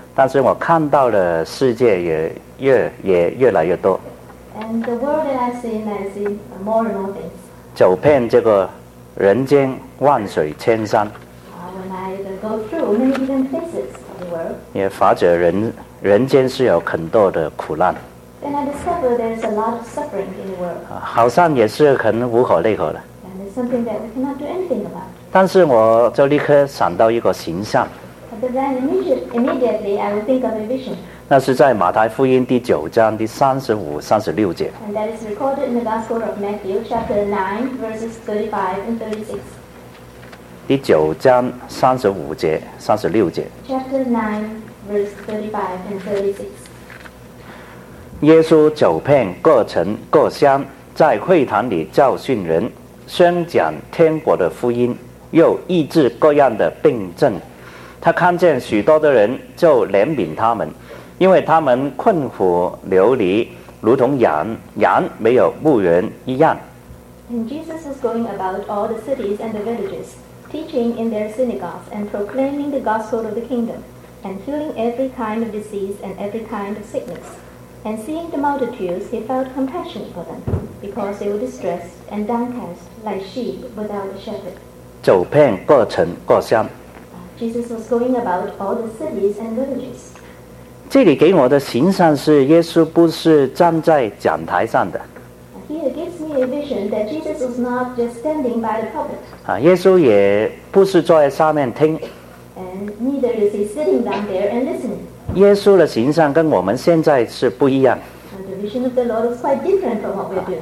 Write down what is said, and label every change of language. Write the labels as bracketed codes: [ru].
[zh] 但是我看到的世界也越来越多。 [en] And the world that I've seen more and more things. [zh] 走遍这个人间万水千山。 [en] When I go through many different places of the world. [zh] 也发觉人间是有很多的苦难。 [en] And I discovered there's a lot of suffering in the world. [zh] 好像也是很无可奈何的。 [en] And it's something that we cannot do anything about. [zh] 但是我就立刻想到一个形象。 [en] But then immediately I will think of a vision. [zh] 那是在马太福音第九章第35-36节。 [en] And that is recorded in the Gospel of Matthew, chapter 9, verses 35 and 36. [zh] 第九章35-36节。 [en] Chapter 9, verse 35 and 36. [zh] 耶稣走遍各城各乡，在会堂里教训人，宣讲天国的福音，又医治各样的病症。他看见许多的人，就怜悯他们，因为他们困苦流离，如同羊没有牧人一样。 [en] And Jesus was going about all the cities and the villages. Teaching in their synagogues and proclaiming the gospel of the kingdom, and healing every kind of disease and every kind of sickness. And seeing the multitudes, he felt compassion for them, because they were distressed and downcast, like sheep without a shepherd. [zh] 走遍各城各乡。 [en] Jesus was going about all the cities and villages. [zh] 这里给我的形象是耶稣不是站在讲台上的。 [en] Here gives me a vision that Jesus was not just standing by the pulpit. [zh] 耶稣也不是坐在上面听。 [en] And neither is he sitting down there and listening. [zh] 耶稣的形象跟我们现在是不一样。 [en] The vision of the Lord is quite different from what we're doing.